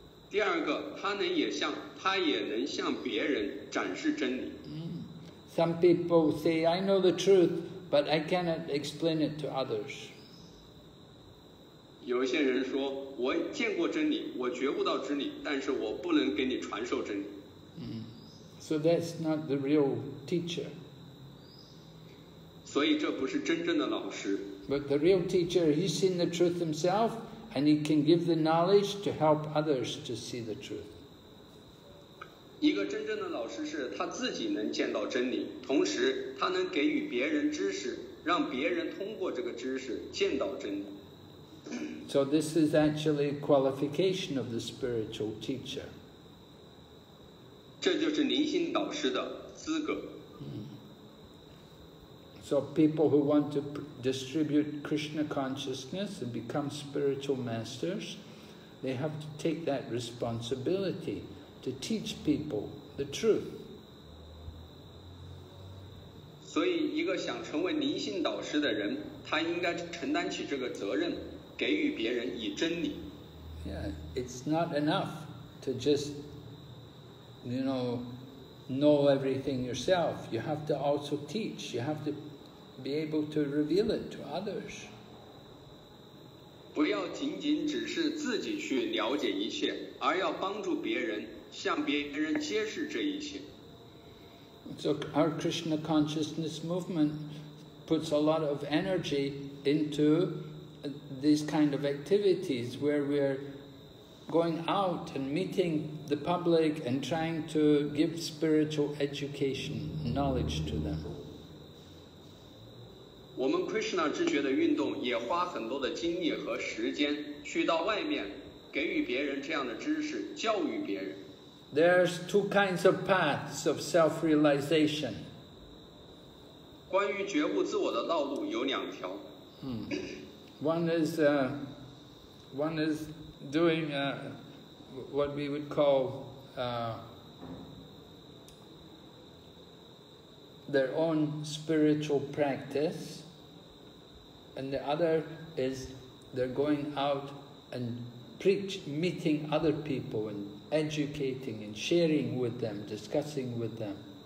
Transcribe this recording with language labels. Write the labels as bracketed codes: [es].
[zh] 第二个，他也能向别人展示真理。 [en] Some people say, I know the truth, but I cannot explain it to others. [zh] 有些人说，我见过真理，我觉悟到真理，但是我不能给你传授真理。 [en] So that's not the real teacher. [zh] 所以这不是真正的老师。 [en] But the real teacher, he's seen the truth himself, and he can give the knowledge to help others to see the truth. [zh] 一个真正的老师是他自己能见到真理，同时他能给予别人知识，让别人通过这个知识见到真理。 [en] So this is actually a qualification of the spiritual teacher. [zh] 这就是灵性导师的资格。 [en] So people who want to distribute Krishna consciousness and become spiritual masters, they have to take that responsibility to teach people the truth. [zh] 所以一个想成为灵性导师的人，他应该承担起这个责任。给予别人以真理。 [en] Yeah, it's not enough to just, you know everything yourself. You have to also teach. You have to be able to reveal it to others. [zh] 不要仅仅只是自己去了解一切，而要帮助别人，向别人揭示这一切。 [en] So our Krishna consciousness movement puts a lot of energy into these kind of activities where we're going out and meeting the public and trying to give spiritual education knowledge to them. [zh] 我们 Krishna 知觉的运动也花很多的精力和时间去到外面给予别人这样的知识，教育别人。 [en] There's two kinds of paths of self-realization. [zh] 关于觉悟自我的道路有两条。 [en] One is doing what we would call their own spiritual practice, and the other is they're going out and meeting other people and educating and sharing with them, discussing with them.